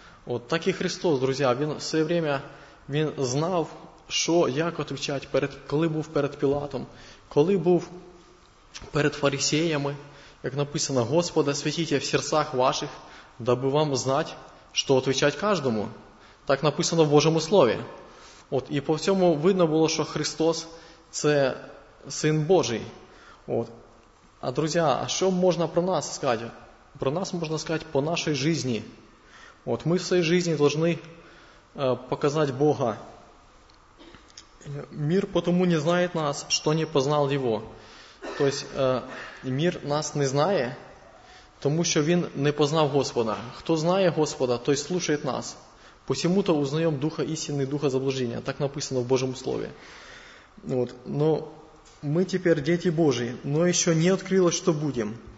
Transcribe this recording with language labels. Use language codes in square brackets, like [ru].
[uk] От, так і Христос, друзі, він все время він знав, що, як відповідати, перед, коли був перед Пілатом, коли був перед фарисеями, як написано, «Господа, святіте в серцях ваших, дабы вам знати, що відповідати кожному». Так написано в Божому Слові. От, і по всьому видно було, що Христос – це Син Божий. От. А, друзі, а що можна про нас сказати? Про нас можна сказати по нашій житті. [ru] Вот мы в своей жизни должны показать Бога. Мир потому не знает нас, что не познал Его. То есть мир нас не знает, [uk] тому що він не познав Господа. Хто знає Господа, той слухає нас. Посіму-то узнаємо духа істини, духа заблуждення. Так написано в Божому Слові. От. Но ми тепер діти Божі, но ще не відкрилось, що будемо.